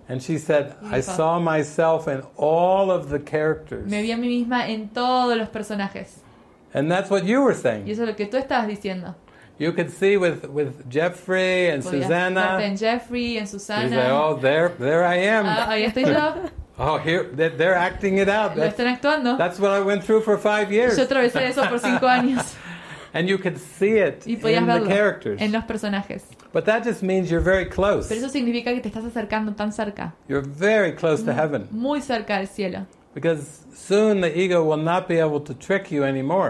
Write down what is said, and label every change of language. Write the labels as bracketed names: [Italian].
[English] And she said, "I saw myself in all of the characters." [Spanish] Me vi a mí misma en todos los personajes. [English] And that's what you were saying. [Spanish] Y eso es lo que tú estabas diciendo. [English] You could see with Jeffrey and Susanna. [Spanish] Podías verte en Jeffrey y en Susanna. [English] She's like, "Oh, there I am." [Spanish] Ahí estoy yo. [English] Oh, here they're acting it out. [Spanish] Lo están actuando. [English] That's what I went through for 5 years. [Spanish] Yo atravesé eso por 5 años. [English] And you could see it in the characters. [Spanish] En los personajes. [English] But that just means you're very close. [Spanish] Pero eso significa que te estás acercando tan cerca. [English] You're very close to heaven. [Spanish] Muy cerca del cielo. [English] Because soon the ego will not be able to trick you anymore.